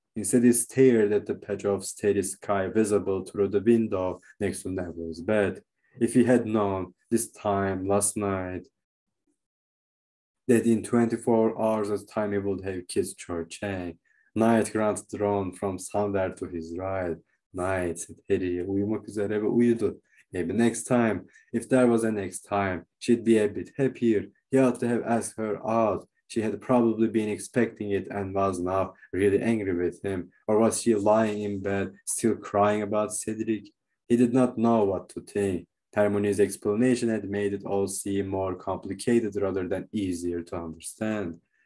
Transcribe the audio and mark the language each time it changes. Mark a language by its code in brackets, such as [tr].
[en] Instead, he stared at the patch of steady sky visible through the window next to Neville's bed. If he had known this time last night that in 24 hours of time he would have kissed Cho Chang. Knight Grant drawn from somewhere to his right. Knight said Harry, [tr] uyumak üzere ve uyudu. [en] Maybe next time, if there was a next time, she'd be a bit happier. He ought to have asked her out. She had probably been expecting it and was now really angry with him. Or was she lying in bed, still crying about Cedric? He did not know what to think. Harmony's explanation had made it all seem more complicated rather than easier to understand.